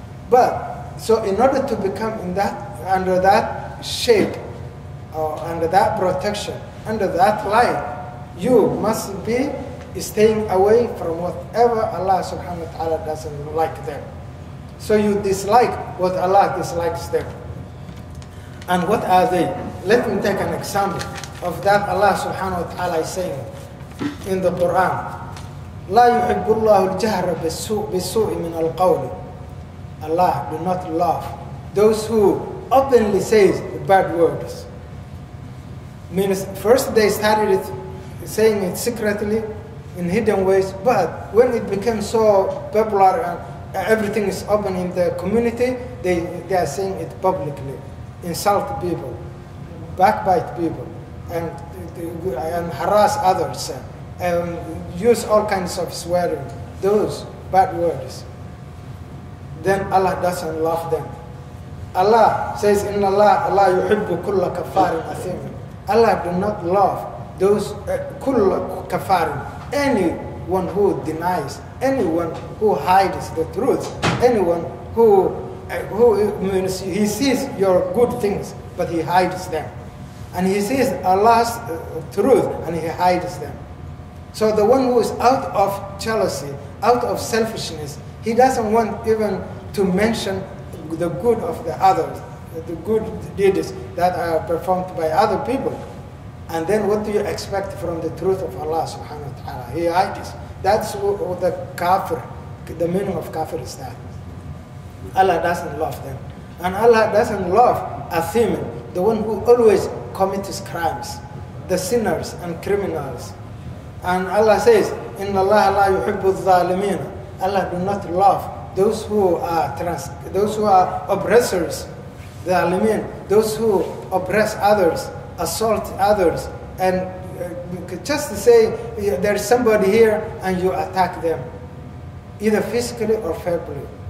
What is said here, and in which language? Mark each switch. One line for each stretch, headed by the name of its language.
English: But so in order to become in that, under that shade, or under that protection, under that light, you must be staying away from whatever Allah subhanahu wa ta'ala doesn't like them. So you dislike what Allah dislikes them. And what are they? Let me take an example of that Allah subhanahu wa ta'ala is saying in the Quran.
Arabic: لا يحب الله الجهر بالسوء من القول.
English: Allah do not love those who openly say bad words. Means first they started it, saying it secretly in hidden ways, but when it became so popular and everything is open in the community, they are saying it publicly, insult people, backbite people, and harass others, and use all kinds of swearing, those bad words. Then Allah doesn't love them. Allah says,
Arabic: إن الله لا يحب كل كفار أثيم.
English: Allah do not love those
Arabic: كل كفار,
English: anyone who denies, anyone who hides the truth, anyone who means he sees your good things but he hides them, and he sees Allah's truth and he hides them. So the one who is out of jealousy, out of selfishness, he doesn't want even to mention the good of the others, the good deeds that are performed by other people. And then what do you expect from the truth of Allah subhanahu wa ta'ala? He hides. That's what the kafir, the meaning of kafir is that. Allah doesn't love them. And Allah doesn't love a thief, the one who always commits crimes, the sinners and criminals. And Allah says,
Arabic: إِنَّ اللَّهَ لَا يُحِبُّ الظَّالِمِينَ.
English: Allah do not love those who are trans, those who are oppressors, the alimin, those who oppress others, assault others, and just say there's somebody here and you attack them, either physically or verbally.